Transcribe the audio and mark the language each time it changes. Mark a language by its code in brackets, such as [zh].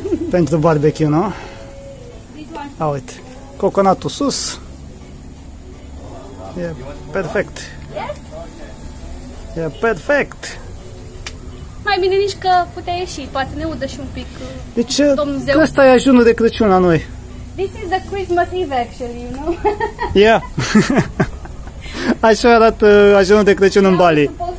[ro] Pentru barbecue, nu? A, uite, coconatul sus. E perfect. [en] Yes? [ro] E perfect. Mai bine nici că putea ieși, poate ne udă și un pic. Deci, Domnul Zeu. Că ăsta e ajunul de Crăciun la noi. [en] This is the Christmas Eve, actually, you know? Yeah. [ro] Așa arată ajunul de Crăciun în Bali.